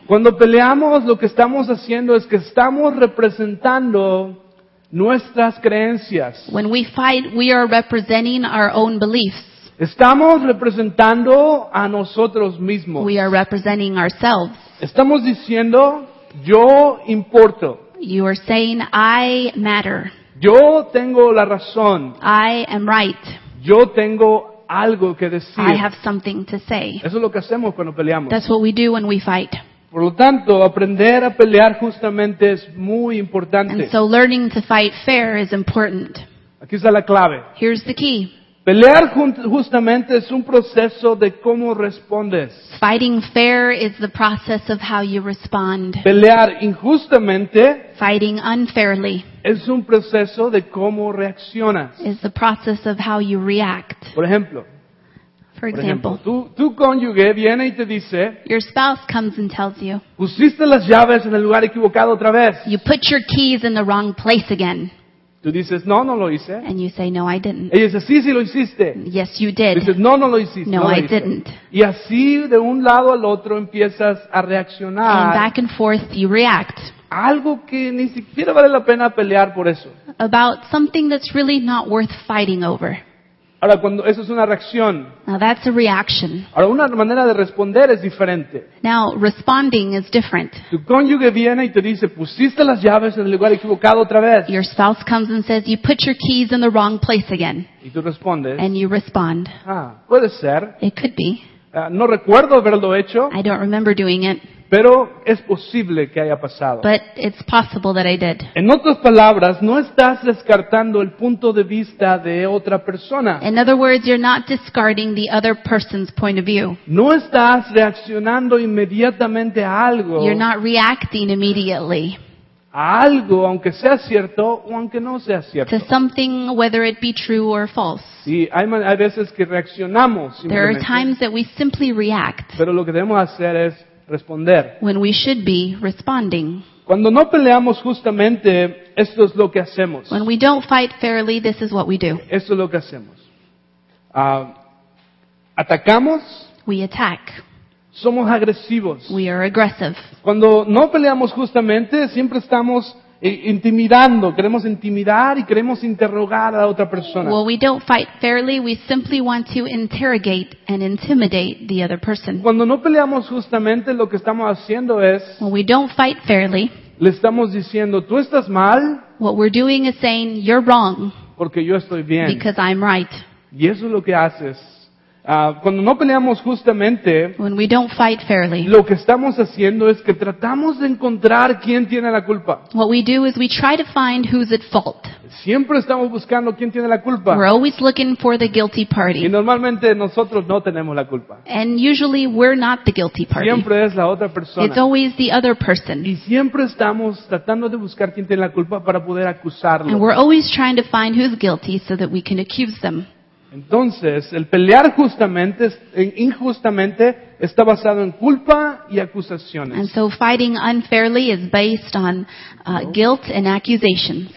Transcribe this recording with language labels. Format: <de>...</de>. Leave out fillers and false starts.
<es>Cuando peleamos, lo que estamos haciendo es que estamos representando nuestras creencias.</es> <en>When we fight, we are representing our own beliefs.</en> <es>Estamos representando a nosotros mismos.</es> <en>We are representing ourselves.</en> <es>Estamos diciendo, yo importo.</es> <en>You are saying, I matter.</en> <es>Yo tengo la razón.</es> <en>I am right.</en> <es>Yo tengo algo que decir.</es> <en>I have something to say.</en> <es>Eso es lo que hacemos cuando peleamos.</es> <en>That's what we do when we fight.</en> <es>Por lo tanto, aprender a pelear justamente es muy importante.</es> <en>And so learning to fight fair is important.</en> <es>Aquí está la clave.</es> <en>Here's the key.</en> <es>Pelear justamente es un proceso de cómo respondes.</es> <en>Fighting fair is the process of how you respond.</en> <es>Pelear injustamente.</es> <en>Fighting unfairly.</en> <es>Es un proceso de cómo reaccionas.</es> <en>Is the process of how you react.</en> <es>Por ejemplo.</es> <en>For example.</en> <es>Tu cónyuge viene y te dice.</es> <en>Your spouse comes and tells you.</en> <es>Pusiste las llaves en el lugar equivocado otra vez.</es> <en>You put your keys in the wrong place again.</en> <es>Tú dices, no, no lo hice.</es> <en>And you say, no, I didn't.</en> <es>Ella dice, sí, sí lo hiciste.</es> <en>Yes, you did.</en> <es>Dices, no, no lo hiciste. No, no lo</es> <en>I</en> <es>hice.</es> <en>Didn't.</en> <es>Y así, de un lado al otro, empiezas a reaccionar.</es> <en>And back and forth, you react.</en> <es>Algo que ni siquiera vale la pena pelear por eso.</es> <en>About something that's really not worth fighting over.</en> <es>Ahora, cuando eso es una reacción.</es> <en>Now, that's a reaction.</en> <es>Ahora, una manera de responder es diferente.</es> <en>Now, responding is different.</en> <es>Tu cónyuge viene y te dice, pusiste las llaves en el lugar equivocado otra vez.</es> <en>Your spouse comes and says, you put your keys in the wrong place again.</en> <es>Y tú respondes.</es> <en>And you respond.</en> <es>Ah, puede ser.</es> <en>It could be.</en> <es>No recuerdo haberlo hecho.</es> <en>I don't remember doing it.</en> <es>Pero es posible que haya pasado.</es> <en>But it's possible that I did.</en> <es>En otras palabras, no estás descartando el punto de vista de otra persona.</es> <en>In other words, you're not discarding the other person's point of view.</en> <es>No estás reaccionando inmediatamente a algo.</es> <en>You're not reacting immediately.</en> <es>A algo, aunque sea cierto o aunque no sea cierto.</es> <en>To something, whether it be true or false.</en> <es>Sí, hay veces que reaccionamos.</es> <en>There are times that we simply react.</en> <es>Pero lo que debemos hacer es responder.</es> <en>When we should be responding.</en> <es>Cuando no peleamos justamente, esto es lo que hacemos.</es> <en>When we don't fight fairly, this is what we do.</en> <es>Esto es lo que hacemos. Atacamos.</es> <en>We attack.</en> <es>Somos agresivos.</es> <en>We are aggressive.</en> <es>Cuando no peleamos justamente, siempre estamos intimidando. Queremos intimidar y queremos interrogar a la otra persona.</es> <en>Well, we don't fight fairly. We simply want to interrogate and intimidate the other person.</en> <es>Cuando no peleamos justamente, lo que estamos haciendo es.</es> <en>When we don't fight fairly.</en> <es>Le estamos diciendo, tú estás mal.</es> <en>What we're doing is saying, you're wrong.</en> <es>Porque yo estoy bien.</es> <en>Because I'm right.</en> <es>Y eso es lo que haces. Cuando no peleamos justamente,</es> <en>when we don't fight fairly,</en> <es>lo que estamos haciendo es que tratamos de encontrar quién tiene la culpa.</es> <en>What we do is we try to find who's at fault.</en> <es>Siempre estamos buscando quién tiene la culpa.</es> <en>We're always looking for the guilty party.</en> <es>Y normalmente nosotros no tenemos la culpa.</es> <en>And usually we're not the guilty party.</en> <es>Siempre es la otra persona.</es> <en>It's always the other person.</en> <es>Y siempre estamos tratando de buscar quién tiene la culpa para poder acusarlo.</es> <en>And we're always trying to find who's guilty so that we can accuse them.</en> <es>Entonces, el pelear injustamente está basado en culpa y acusaciones.</es> <en>And so fighting unfairly is based on guilt and accusations.</en>